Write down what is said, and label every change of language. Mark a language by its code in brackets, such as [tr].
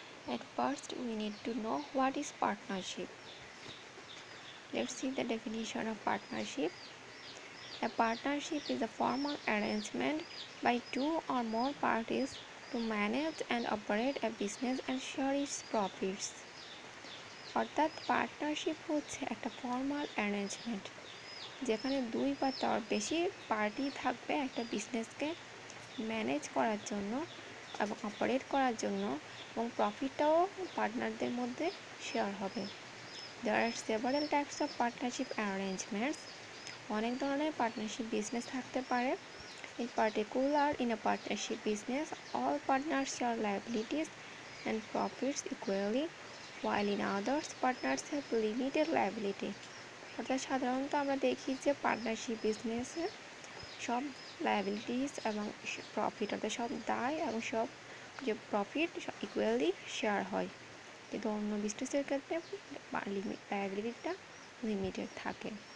[en] At first we need to know what is partnership. Let's see the definition of partnership. A partnership is a formal arrangement by two or more parties to manage and operate a business and share its profits. For that [bn] partnership হচ্ছে একটা formal arrangement যেখানে দুই বা তার বেশি party থাকবে একটা বিজনেসকে manage করার জন্য এবং অপারেট করার জন্য এবং প্রফিটটাও পার্টনারদের মধ্যে শেয়ার হবে. [en] There are several types of partnership arrangements. [bn] অনেক ধরনের পার্টনারশিপ বিজনেস থাকতে পারে. [en] In particular in a partnership business all partners share liabilities and profits equally while in others partners have limited liability. [bn] অর্থাৎ সাধারণত আমরা দেখি যে পার্টনারশিপ বিজনেসে সব লাইবিলিটিস এবং প্রফিট অর্থাৎ সব দায় এবং সব যে প্রফিট ইকুয়ালি শেয়ার হয়, কিন্তু অন্য বিজনেসের ক্ষেত্রে লাইবিলিটিটা লিমিটেড থাকে.